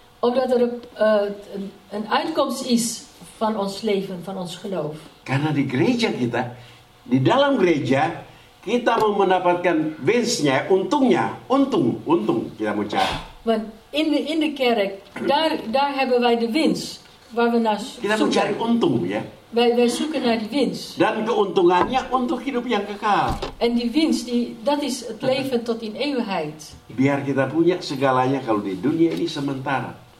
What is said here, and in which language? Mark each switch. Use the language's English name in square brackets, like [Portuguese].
[Dutch] Omdat er een uitkomst is van ons leven, van ons geloof. [Indonesian] Karena di gereja kita, di dalam gereja, kita mau mendapatkan winstnya, untungnya, untung kita mau cari. [Dutch] Want in de kerk, daar hebben wij de winst. Waar we naar [Indonesian] kita mau cari untung ya. [Dutch] Wij zoeken naar die winst. [Indonesian] Dan keuntungannya untuk hidup yang kekal. [Dutch] En die winst, dat is het leven tot in eeuwigheid. [Indonesian] Biar kita punya segalanya kalau di dunia ini sementara.